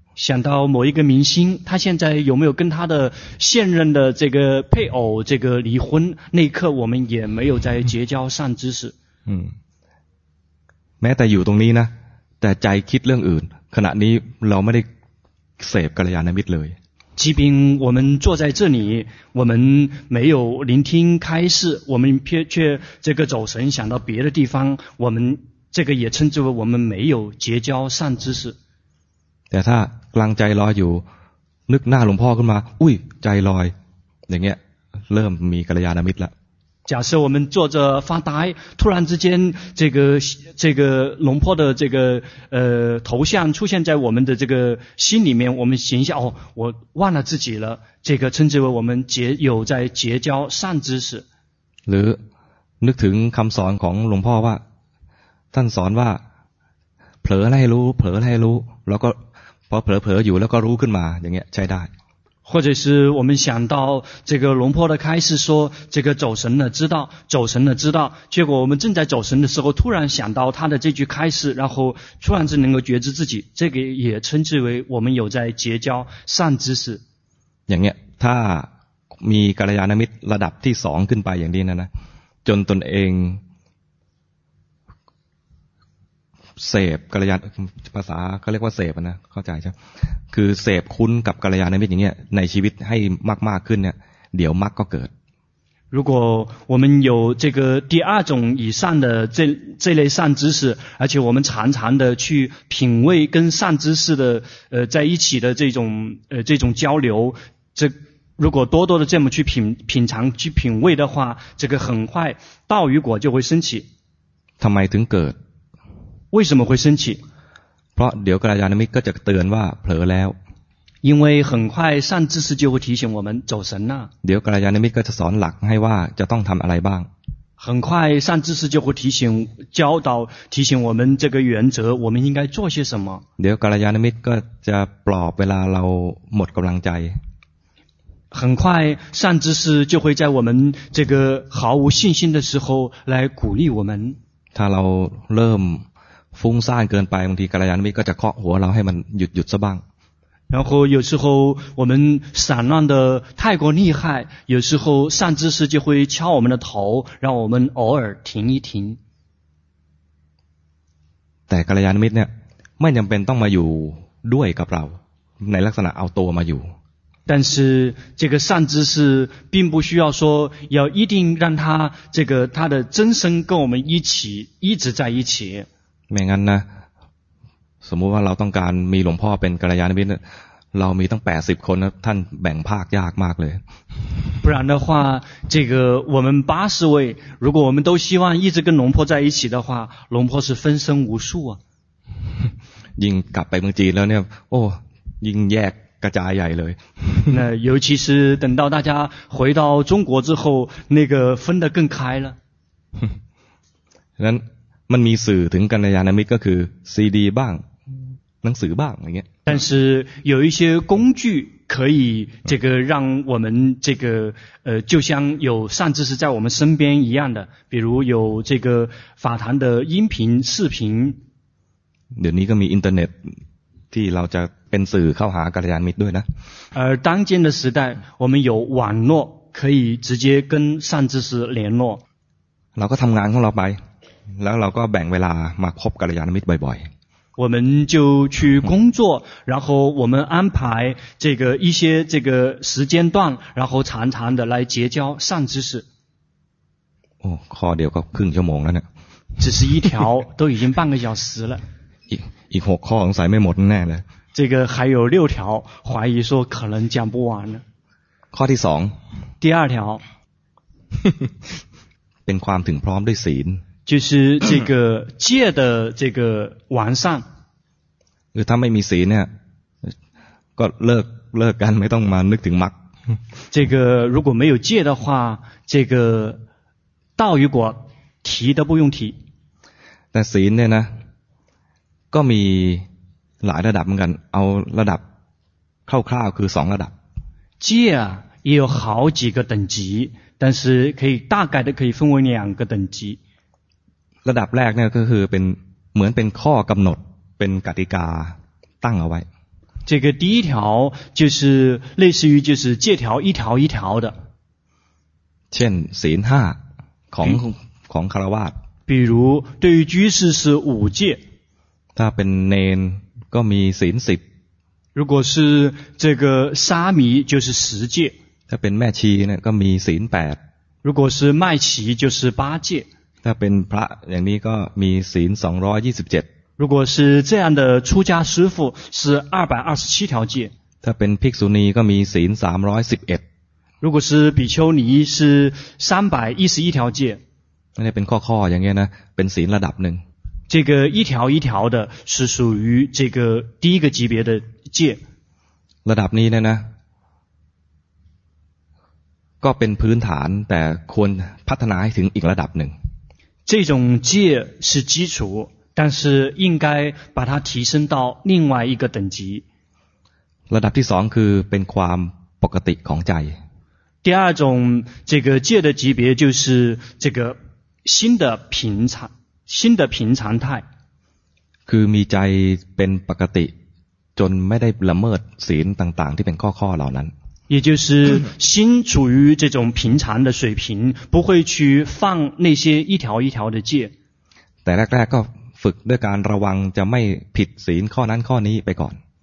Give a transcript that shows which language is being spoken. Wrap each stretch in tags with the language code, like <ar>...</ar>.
<zh>想到某一个明星他现在有没有跟他的现任的这个配偶这个离婚那一刻我们也没有在结交善知识</zh> <th>嗯แม้แต่อยู่ตรงนี้นะแต่ใจคิดเรื่องอื่นขณะนี้เราไม่ได้เสพกัลยาณมิตรเลย</th> <zh>即便我们坐在这里我们没有聆听开示我们却这个走神想到别的地方我们这个也称之为我们没有结交善知识</zh> <th>แต่ถ้ากลางใจลอยอยู่นึกหน้าหลวงพ่อขึ้นมาอุ้ยใจลอยอย่างเงี้ยเริ่มมีกัลยาณมิตรละ</th> <zh>假设我们坐着发呆突然之间这个龙婆的这个头像出现在我们的这个心里面我们形象哦我忘了自己了这个称之为我们有在结交善知识</zh> <th>หรือนึกถึงคำสอนของหลวงพ่อว่าท่านสอนว่าเผลอให้รู้เผลอให้รู้แล้วก็พอเผลอๆอยู่แล้วก็รู้ขึ้นมาอย่างเงี้ยใช้ได้</th> <zh>或者是我们想到这个龙婆的开示说这个走神了知道走神了知道结果我们正在走神的时候突然想到他的这句开示然后突然之能够觉知自己这个也称之为我们有在结交善知识</zh> <th>อย่างเงี้ยถ้ามีกัลยาณมิตรระดับที่2ขึ้นไปอย่างนี้นะ จนตนเองเสพกัลยาณภาษาเขาเรียกว่าเสพนะเข้าใจใช่ไหมคือเสพคุ้นกับกัลยาณมิตรอย่างเงี้ยในชีวิตให้มากๆขึ้นเนี่ยเดี๋ยวมรรคก็เกิด</th> <zh>如果我们有这个第二种以上的 这类善知识，而且我们常常的去品味跟善知识的在一起的这种交流，这如果多多的这么去品尝去品味的话，这个很快道与果就会升起。</zh> <th>ทำไมถึงเกิด？</th> <zh>为什么会升起？</zh> <th>เพราะเดี๋ยวกัลยาณมิตรก็จะเตือนว่าเผลอแล้ว。</th> <zh>因为很快善知识就会提醒我们走神了。</zh> <th>เดี๋ยวกัลยาณมิตรก็จะสอนหลักให้ว่าจะต้องทำอะไรบ้าง。</th> <zh>很快善知识就会提醒教导提醒我们这个原则，我们应该做些什么。</zh> <th>เดี๋ยวกัลยาณมิตรก็จะปลอบเวลาเราหมดกำลังใจ。</th> <zh>很快善知识就会在我们这个毫无信心的时候来鼓励我们。</zh> <th>ถ้าเราเริ่มฟุ้งซ่านเกินไปบางทีกัลยาณมิตรก็จะเคาะหัวเราให้มันหยุดซะบ้าง。</th> <zh>然后有时候我们散乱的太过厉害，有时候善知识就会敲我们的头，让我们偶尔停一停。</zh> <th>แต่กัลยาณมิตรเนี่ยไม่จำเป็นต้องมาอยู่ด้วยกับเราในลักษณะเอาตัวมาอยู่</th> <zh>但是这个善知识并不需要说要一定让他这个他的真身跟我们一起一直在一起。</zh> <th>ไม่งั้นนะสมมุติว่าเราต้องการมีหลวงพ่อเป็นกัลยาณมิตรเรามีตั้ง80คนท่านแบ่งภาคยากมากเลย</th> <zh>不然的话这个我们80位如果我们都希望一直跟龙婆在一起的话龙婆是分身无数啊</zh> <th>ยิ่งกลับไปเมืองจีนแล้วเนี่ยโอ้ยิ่งแยกกระจายใหญ่เลย</th> <zh>那尤其是等到大家回到中国之后那个分得更开了</zh> <th>นั้นมันมีสื่อถึงกัลยาณมิตรก็คือซีดีบ้างหนังสือบ้างอะไรเงี้ย</th> <zh>但是有一些工具可以这个让我们这个就像有善知识在我们身边一样的比如有这个法坛的音频视频</zh> <th>เดี๋ยวนี้ก็มีอินเทอร์เน็ตที่เราจะเป็นสื่อเข้าหากัลยาณมิตรด้วยนะ</th> <zh>而当今的时代我们有网络可以直接跟善知识联络</zh> <th>เราก็ทำงานของเราไปแล้วเราก็แบ่งเวลามาพบกัลยาณมิตรบ่อย</th> <zh>ๆ我们就去工作然后我们安排这个一些这个时间段然后常常的来结交善知识</zh> <th>โอ้ข้อเดียวก็ครึ่งชั่วโมงแล้วเนี่ย</th> <zh>只是一条都已经半个小时了</zh> <th>อีก6ข้อสงสัยไม่หมดแน่เลย</th> <zh>这个还有6条怀疑说可能讲不完</zh> <th>ข้อที่2</th> <zh>第二条</zh> <th>เป็นความถึงพร้อมด้วยศีล</th> <zh>就是这个戒的这个完善</zh> <th>คือถ้าไม่มีศีลเนี่ยก็เลิกกันไม่ต้องมานึกถึงมรรค</th> <zh>这个如果没有戒的话这个道与果提都不用提</zh> <th>แต่ศีลเนี่ยนะก็มีหลายระดับเหมือนกันเอาระดับคร่าวๆคือ2ระดับ</th> <zh>戒也有好几个等级但是可以大概的可以分为两个等级</zh> <th>ระดับแรกเนี่ยก็คือเป็นเหมือนเป็นข้อกำหนดเป็นกติกาตั้งเอาไว้</th> <zh>这个第一条就是类似于就是戒条一条一条的</zh> <th>เช่นศีล5ของคฤหัสถ์</th> <zh>比如对于居士是五戒</zh> <th>ถ้าเป็นเนนก็มีศีล10</th> <zh>如果是这个沙弥就是十戒</zh> <th>ถ้าเป็นแม่ชีเนี่ยก็มีศีล8</th> <zh>如果是麦琪就是八戒</zh> <th>ถ้าเป็นพระอย่างนี้ก็มีศีล227</th> <zh>如果是这样的出家师父是227条戒</zh> <th>ถ้าเป็นภิกษุณีก็มีศีล311</th> <zh>如果是比丘尼是311条戒</zh> <th>อันนี้เป็นข้อๆอย่างเงี้ยนะเป็นศีลระดับนึง</th> <zh>这个一条一条的是属于这个第一个级别的戒</zh> <th>ระดับนี้เนี่ยนะก็เป็นพื้นฐานแต่ควรพัฒนาให้ถึงอีกระดับหนึ่ง</th> <zh>这种戒是基础但是应该把它提升到另外一个等级</zh> <th>ระดับที่สองคือเป็นความปกติของใจ</th> <zh>第二种这个戒的级别就是这个心的平常新的平常态</zh> <th>คือมีใจเป็นปกติจนไม่ได้ละเมิดศีลต่างๆที่เป็นข้อๆเหล่านั้น</th> <zh>也就是心处于这种平常的水平，不会去放那些一条一条的戒。</zh> <th>แต่แรกๆก็ฝึกด้วยการระวังจะไม่ผิดศีลข้อนั้นข้อนี้ไปก่อน。</th>